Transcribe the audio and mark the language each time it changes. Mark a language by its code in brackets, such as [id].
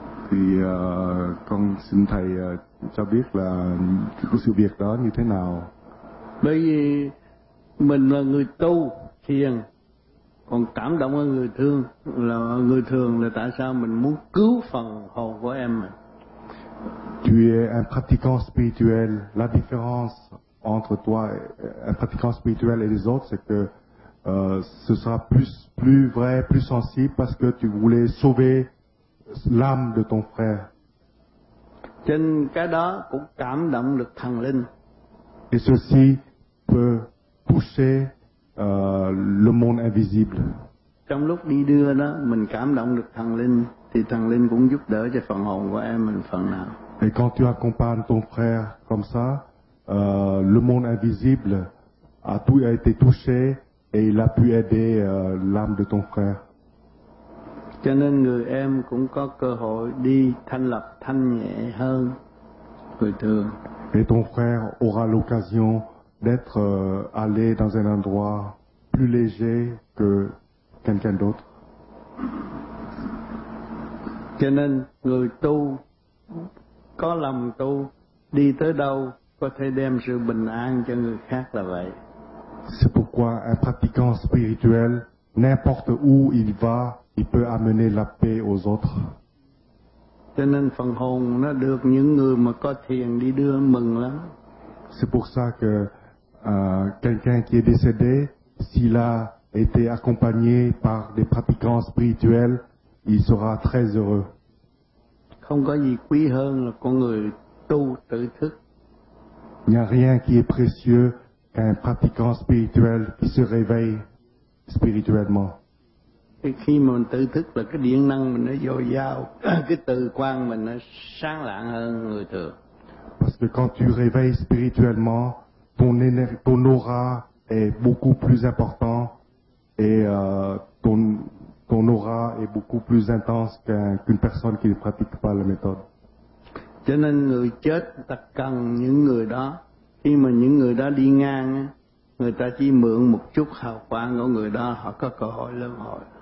[vi] Thì con xin thầy cho biết là cái sự việc đó như thế nào. Bởi vì mình là người tu thiền còn cảm động hơn người thương là người thường là tại sao mình muốn cứu phần hồn của em mà. [fr] Tu es un pratiquant spirituel, la différence entre toi et un pratiquant spirituel et les autres c'est que ce sera plus vrai, plus sensible parce que tu voulais sauver l'âme de ton frère. [vi] Trên cái đó cũng cảm động được thần linh. [fr] Et ceci peut pousser le monde invisible. [vi] Trong lúc đi đưa đó, mình cảm động được thần linh, thì thần linh cũng giúp đỡ cho phần hồn của em mình phần nào. [fr] Et quand tu accompagnes ton frère comme ça, le monde invisible a tout a été touché et il a pu aider l'âme de ton frère. [vi] Cho nên người em cũng có cơ hội đi thanh lập thanh nhẹ hơn người thường. [fr] Et ton frère aura l'occasion d'être allé dans un endroit plus léger que quelqu'un d'autre. [vi] Cho nên người tu có lòng tu đi tới đâu có thể đem sự bình an cho người khác là vậy. [fr] C'est pourquoi un pratiquant spirituel, n'importe où il va, il peut amener la paix aux autres. [vi] Cho nên phần hồn nó được những người mà có thiền đi đưa mừng lắm. [fr] C'est pour ça que quelqu'un qui est décédé, s'il a été accompagné par des pratiquants spirituels, il sera très heureux. [vi] Không có gì quý hơn là con người tu tự thức. [fr] Il n'y a rien qui est précieux qu'un pratiquant spirituel qui se réveille spirituellement. [vi] Et khi mình tự thức là cái điện năng mình nó dồi dào, cái từ quang mình nó sáng lạng hơn người thường. [fr] Parce que quand tu réveilles spirituellement, ton aura est beaucoup plus important et ton aura est beaucoup plus intense qu'une personne qui ne pratique pas la méthode. [vi] Cho nên người chết ta cần những người đó. Khi mà những người đó đi ngang, người ta chỉ mượn một chút hào quang của người đó, họ có cơ hội lên hồi.